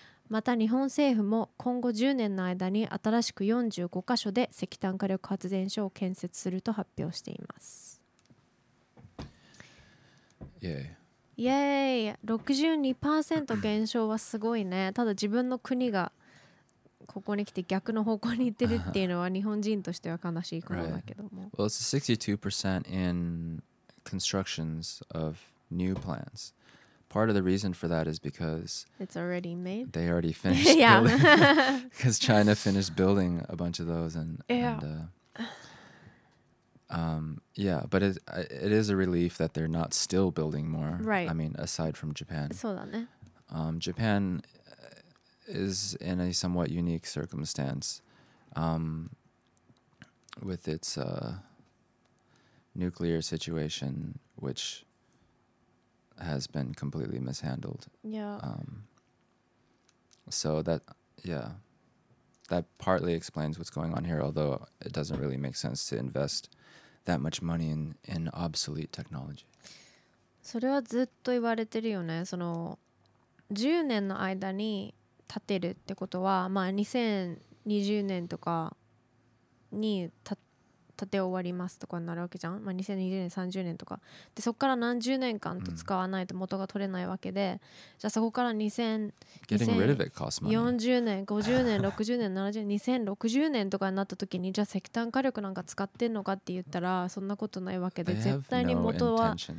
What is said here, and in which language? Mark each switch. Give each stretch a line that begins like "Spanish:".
Japanese: また日本政府も今後10年の間に新しく45箇所で石炭火力発電所を建設すると発表しています。
English: Yay.
Japanese: Yay. 62% 減少はすごいね。ただ自分の国がここに来て逆の方向に行ってるっていうのは日本人としては悲しいことだけども。
English: Right. Well, it's 62% in constructions of new plants. Part of the reason for that is because it's already made. They already finished. Yeah. Because China finished building a bunch of those. And, yeah, but it is a relief that they're not still building more. Right. I mean, aside from Japan.
Japanese: そうだね。
English: Japan is in a somewhat unique circumstance with its nuclear situation, which... has been completely mishandled. Yeah. So that, yeah, that partly explains what's going on here, although it doesn't really make sense to invest that much money in obsolete technology.
Japanese: それはずっと言われてるよね。その10年の間に建てるってことは、まあ2020年とかに建て終わりますとかになるわけじゃん、まあ、2020年30年とかでそこから何十年間と使わないと元が取れないわけで、じゃあそこから2040年50年60年70年2060年とかになった時に、じゃあ石炭火力なんか使ってんのかって言ったらそんなことないわけで、絶対に元は